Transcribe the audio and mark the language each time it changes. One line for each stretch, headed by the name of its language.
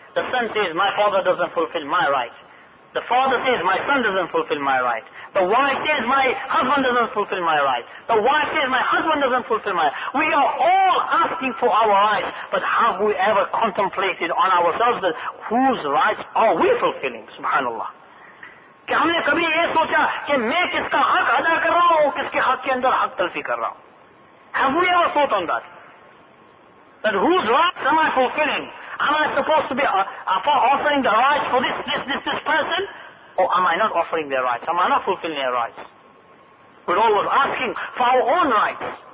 English: The son says, my father doesn't fulfill my rights. The father says, my son doesn't fulfill my rights. The wife says, my husband doesn't fulfill my rights. The wife says, my husband doesn't fulfill my rights. We are all asking for our rights, but have we ever contemplated on ourselves that whose rights are we fulfilling? Subhanallah.
Urdu: کہ ہم نے کبھی یہ سوچا کہ میں کس کا حق ادا کر رہا ہوں اور کس کے حق کے اندر حق تلفی کر رہا ہوں.
English: Have we ever thought on that? That whose rights am I fulfilling? Am I supposed to be offering the rights for this person? Or am I not offering their rights? Am I not fulfilling their rights? We're always asking for our own rights.